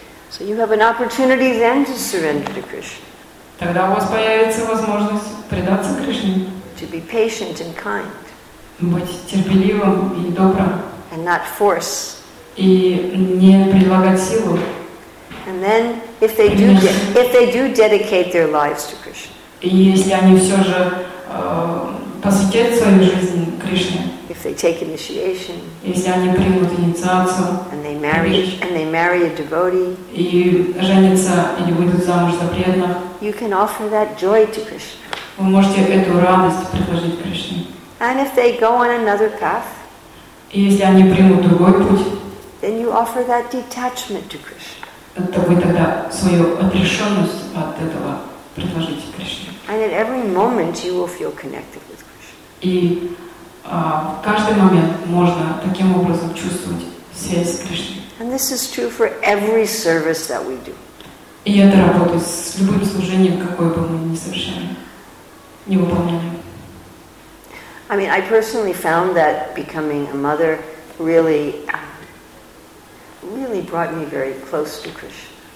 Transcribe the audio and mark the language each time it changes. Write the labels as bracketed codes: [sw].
[en] So you have an opportunity then to surrender to Krishna. [ru] Тогда у вас появится возможность предаться Кришне. [en] To be patient and kind. [ru] Быть терпеливым и добрым. [en] And not force. [ru] И не прилагать силу. [en] And then, if they do dedicate their lives to Krishna. [ru] И если они все же посвятят свою жизнь Кришне. [en] If they take initiation, [ru] если они примут инициацию, [en] and they marry a devotee, [ru] и женятся или выйдут замуж за преданных, [en] you can offer that joy to Krishna. [ru] Вы можете эту радость предложить Кришне. [en] And if they go on another path, [ru] и если они примут другой путь, [en] then you offer that detachment to Krishna. [ru] То вы тогда свою отрешенность от этого предложите Кришне. [en] And at every moment you will feel connected with Krishna. [ru] И в каждый момент можно таким образом чувствовать связь с Кришной. [en] And this is true for every service that we do. [ru] И это работает с любым служением, какое бы мы ни совершали, не выполняли. [en] I mean, I personally found that becoming a mother really, really brought me very close to Krishna.